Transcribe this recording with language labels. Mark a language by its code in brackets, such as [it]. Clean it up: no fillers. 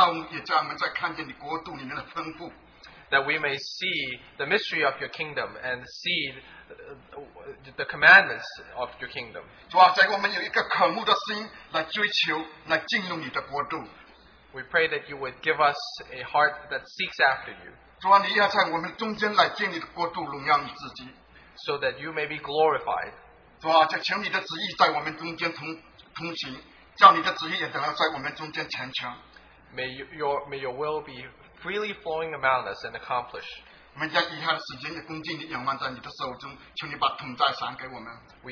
[zh] 主啊，叫我们看见你在国度里面的奥秘，也叫我们再看见你国度里面的丰富。 [en] That we may see the mystery of your kingdom and see the commandments of your kingdom. [zh] 主啊，在我们有一个渴慕的心来追求，来进入你的国度。 [en] We pray that you would give us a heart that seeks after you. [zh] 主啊，你要在我们中间来建立国度，荣耀你自己。So [en] that you may be glorified. [zh] 主啊，就求你的旨意在我们中间通行，叫你的旨意也能够在我们中间成全。 [en] May your will be freely flowing among us and accomplished. [zh] 我们将以下的时间也恭敬地仰望在你的手中，求你把同在赏给我们。We